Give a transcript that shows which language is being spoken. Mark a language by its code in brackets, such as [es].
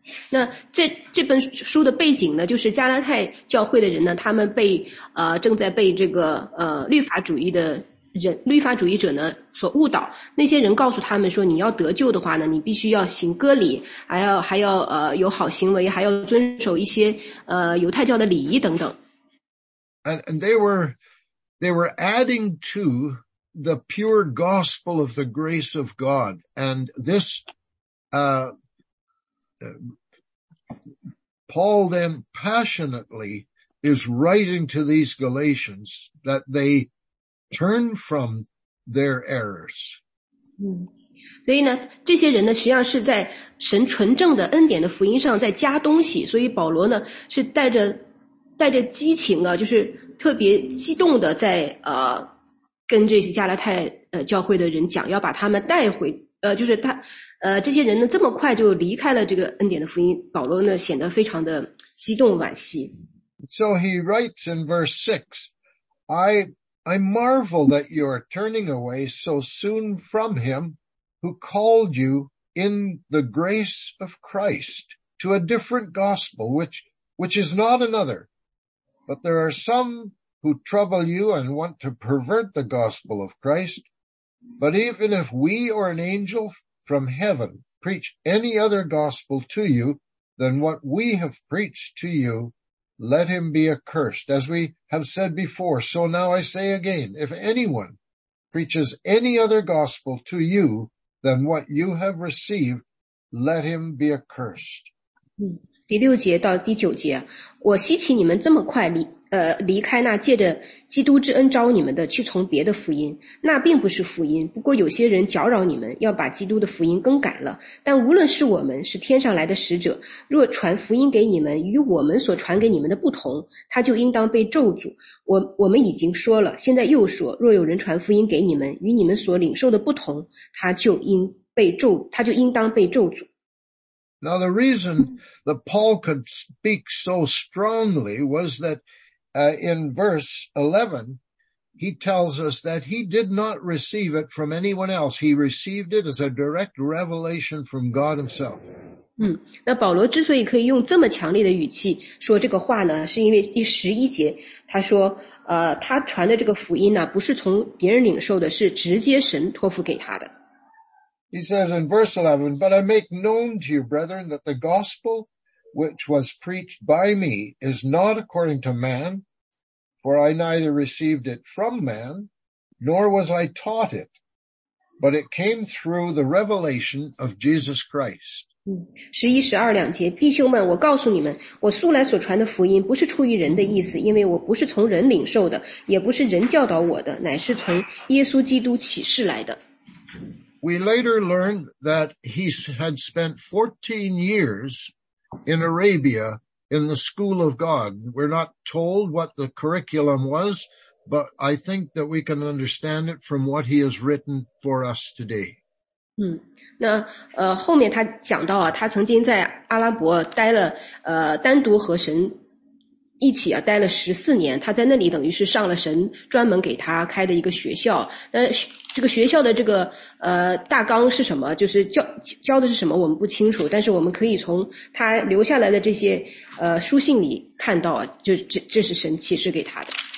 [zh] 那这本书的背景呢，就是加拉太教会的人呢，他们被正在被这个律法主义的人，律法主义者呢所误导。那些人告诉他们说，你要得救的话呢，你必须要行割礼，还要有好行为，还要遵守一些犹太教的礼仪等等。 [en] And they were adding to the pure gospel of the grace of God. And this, Paul then passionately is writing to these Galatians that they turn from their errors. [zh] 所以呢，这些人呢，实际上是在神纯正的恩典的福音上在加东西。所以保罗呢，是带着激情啊，就是特别激动的在跟这些加拉太教会的人讲，要把他们带回就是他这些人呢这么快就离开了这个恩典的福音，保罗呢显得非常的激动惋惜。 [en] So he writes in verse 6, I marvel that you are turning away so soon from him who called you in the grace of Christ to a different gospel, which is not another. But there are some who trouble you and want to pervert the gospel of Christ. But even if we or an angel from heaven preach any other gospel to you than what we have preached to you, let him be accursed. As we have said before, so now I say again, if anyone preaches any other gospel to you than what you have received, let him be accursed. [zh] 第六节到第九节，我希奇你们这么快离开那借着基督之恩招你们的，去从别的福音，那并不是福音。不过有些人搅扰你们，要把基督的福音更改了。但无论是我们是天上来的使者，若传福音给你们与我们所传给你们的不同，他就应当被咒诅。我们已经说了，现在又说，若有人传福音给你们与你们所领受的不同，他就应当被咒诅。 [en] Now the reason that Paul could speak so strongly was that in verse 11, he tells us that he did not receive it from anyone else. He received it as a direct revelation from God himself. [zh] 那保罗之所以可以用这么强烈的语气说这个话呢，是因为第十一节他说他传的这个福音呢，不是从别人领受的，是直接神托付给他的。 [en] He says in verse 11, but I make known to you, brethren, that the gospel which was preached by me is not according to man, for I neither received it from man, nor was I taught it, but it came through the revelation of Jesus Christ. [zh] 11-12节，弟兄们，我告诉你们，我素来所传的福音不是出于人的意思，因为我不是从人领受的，也不是人教导我的，乃是从耶稣基督启示来的。 [en] We later learn that he had spent 14 years in Arabia in the school of God. We're not told what the curriculum was, but I think that we can understand it from what he has written for us today. [zh] 那后面他讲到他曾经在阿拉伯待了单独和神一起待了14年，他在那里等于是上了神专门给他开的一个学校。那这个学校的这个大纲是什么，就是教的是什么我们不清楚，但是我们可以从他留下来的这些书信里看到，这是神启示给他的。